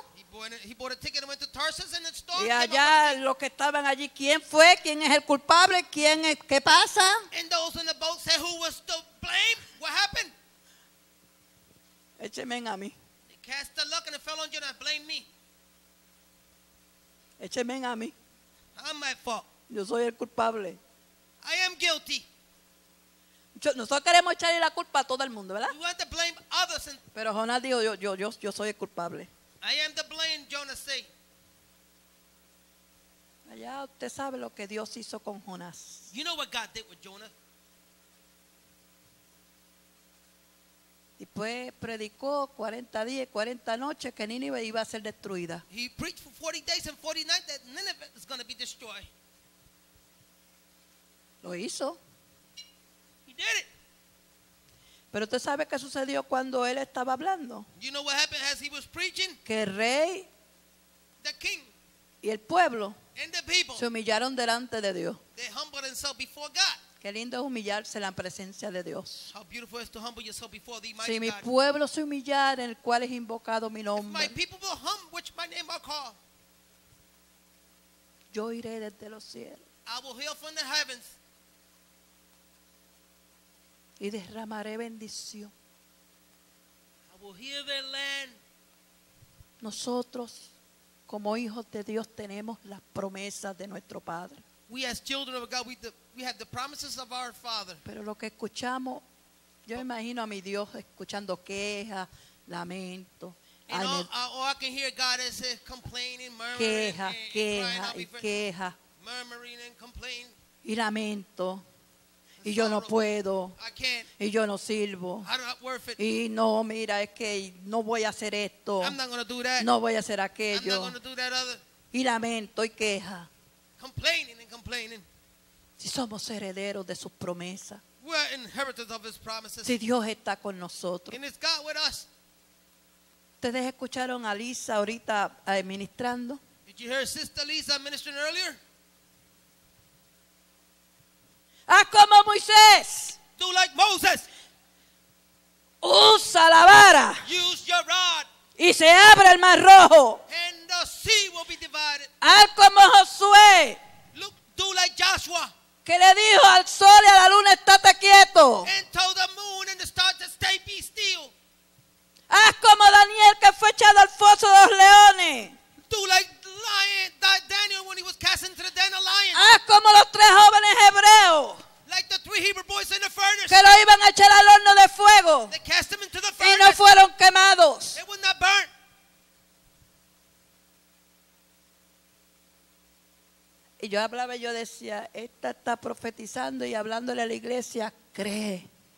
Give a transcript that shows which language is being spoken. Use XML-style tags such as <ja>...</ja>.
<en>He bought a ticket and went to Tarsus in the storm.</en> <es>Y allá los que estaban allí, ¿quién fue? ¿Quién es el culpable? ¿Quién es? ¿Qué pasa?</es> <en>And those in the boat said, who was to blame? What happened?</en> <es>Écheme a mí.</es> <en>They cast the luck and it fell on Jonah. Blame me.</en> <es>Écheme a mí.</es> <en>I'm my fault.</en> <es>Yo soy el culpable.</es> <en>I am guilty.</en> <es>Nosotros queremos echarle la culpa a todo el mundo, ¿verdad?</es> <en>We want to blame others.</en> <es>Pero Jonás dijo, yo soy el culpable.</es> <en>I am to blame, Jonah said.</en> <es>Allá usted sabe lo que Dios hizo con Jonás.</es> <en>You know what God did with Jonah.</en> <es>Después predicó 40 días, 40 noches que Nínive iba a ser destruida.</es> <en>He preached for 40 days and 40 nights that Nineveh is going to be destroyed.</en> <es>Lo hizo.</es> <en>He did it.</en> <es>Pero usted sabe qué sucedió cuando él estaba hablando.</es> <en>You know what happened as he was preaching?</en> <es>Que el rey,</es> <en>the king,</en> <es>y el pueblo,</es> <en>and the people,</en> <es>se humillaron delante de Dios.</es> <en>They humbled themselves before God.</en> <es>Qué lindo es humillarse en la presencia de Dios.</es> <en>How beautiful is to humble yourself before the</en> <es>si mi</es> <en>God.</en> <es>Pueblo se humillara en el cual es invocado mi nombre.</es> <en>If my people will humble, which my name are called.</en> <es>Yo iré desde los cielos.</es> <en>I will hear from the heavens.</en> <es>Y derramaré bendición.</es> <en>I will hear the land.</en> <es>Nosotros, como hijos de Dios, tenemos las promesas de nuestro Padre.</es> <en>We as children of God, we have the promises of our Father.</en> <es>Pero lo que escuchamos, yo imagino a mi Dios escuchando quejas, lamentos.</es> <en>And all I can hear God is complaining, murmuring,</en> <es>queja.</es> <en>Murmuring and complaining.</en> <es>Y lamento. Y yo no puedo. Y yo no sirvo. Y no, mira, es que no voy a hacer esto.</es> <en>I'm not gonna do that.</en> <es>No voy a hacer aquello.</es> <en>I'm not gonna do that other.</en> <es>Y lamento y queja.</es> <en>Complaining and complaining.</en> <es>Si somos herederos de sus promesas.</es> <en>We're inheritors of his promises.</en> <es>Si Dios está con nosotros.</es> <en>And is God with us.</en> <es>¿Ustedes escucharon a Lisa ahorita administrando?</es> <en>Did you hear Sister Lisa ministering earlier?</en> <es>Haz como Moisés.</es> <en>Do like Moses.</en> <es>Usa la vara.</es> <en>Use your rod.</en> <es>Y se abre el mar rojo.</es> <en>And the sea will be divided.</en> <es>Haz como Josué.</es> <en>Look, do like Joshua.</en> <es>Que le dijo al sol y a la luna, estate quieto.</es> <en>And told the moon and the stars to stay be still.</en> <es>Haz como Daniel, que fue echado al foso de los leones.</es> <en>Do like Daniel when he was cast into the den of lions.</en> <es>Haz como los tres jóvenes hebreos.</es> <en>Like the three Hebrew boys in the furnace.</en> <es>Que lo iban a echar al horno de fuego.</es> <en>They cast them into the furnace.</en> <es>Y no fueron quemados.</es> <en>They were not burnt.</en> <es>Y yo hablaba y yo decía, esta está profetizando y hablándole a la iglesia, cree.</es>